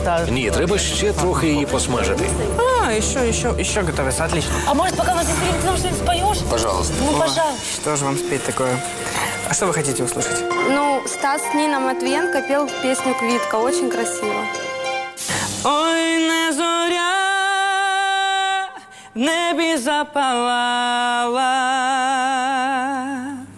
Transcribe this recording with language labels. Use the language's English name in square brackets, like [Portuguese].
[Ukrainian] Не, треба еще трохи ее посмажити. [Russian] Еще готовится, отлично. А может, пока у нас есть время, ты нам что-нибудь споешь? Пожалуйста. Ну, пожалуйста. Что же вам спеть такое? А что вы хотите услышать? Ну, Стас с Ниной Матвиенко пел песню «Квитка». Очень красиво. [Ukrainian] Ой, не зоря, в небі запалала.